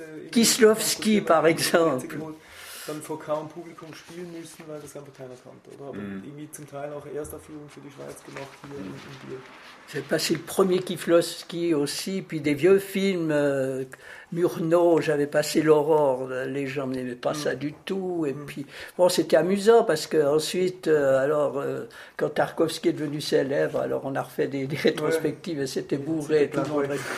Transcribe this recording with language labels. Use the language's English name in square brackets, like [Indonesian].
[French] Kieslowski par exemple. [German] Dann vor kaum Publikum spielen müssen, weil das einfach keiner kannte, oder? Aber irgendwie zum Teil auch Erstaufführungen für die Schweiz gemacht hier in Biel. [French] J'ai passé le premier Kieslowski aussi, puis des vieux films, Murnau, j'avais passé l'Aurore, les gens n'aimaient pas ça du tout, et puis, bon, c'était amusant, parce que ensuite, quand Tarkovski est devenu célèbre, alors on a refait des rétrospectives, et c'était bourré, c'était tout le monde.